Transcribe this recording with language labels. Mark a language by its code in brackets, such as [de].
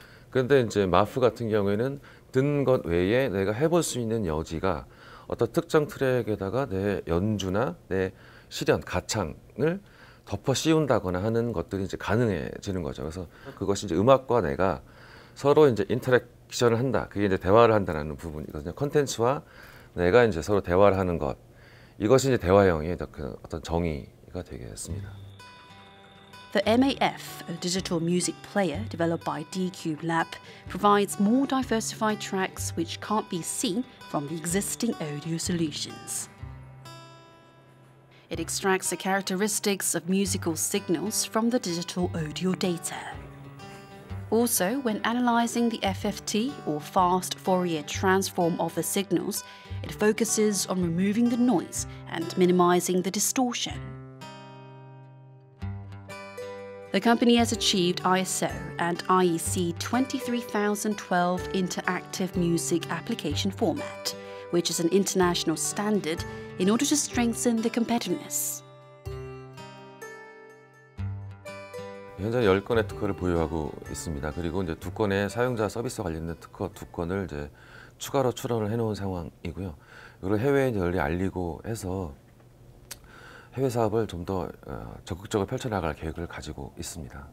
[ko] 그런데 이제 마프 같은 경우에는 듣는 것 외에 내가 해볼 수 있는 여지가 어떤 특정 트랙에다가 내 연주나 내 실연, 가창을 덮어 씌운다거나 하는 것들이 이제 가능해지는 거죠. 그래서 그것이 이제 음악과 내가 서로 이제 인터랙션을 한다. 그게 이제 대화를 한다는 부분이거든요. 콘텐츠와 내가 이제 서로 대화를 하는 것. 이것이 이제 대화형의 어떤 정의가 되겠습니다. [en] The MAF, a digital music player developed by D-Cube Lab, provides more diversified tracks which can't be seen from the existing audio solutions. It extracts the characteristics of musical signals from the digital audio data. Also, when analyzing the FFT, or fast Fourier transform of the signals, it focuses on removing the noise and minimizing the distortion. The company has achieved ISO and IEC 23012 Interactive Music Application Format, which is an international standard in order to strengthen the competitiveness. [ko] 현재 10건의 특허를 보유하고 있습니다. 그리고 이제 두 건의 사용자 서비스 관련된 특허 두 건을 이제 추가로 출원을 해놓은 상황이고요. 이걸 해외에 널리 알리고 해서 해외 사업을 좀 더 적극적으로 펼쳐나갈 계획을 가지고 있습니다.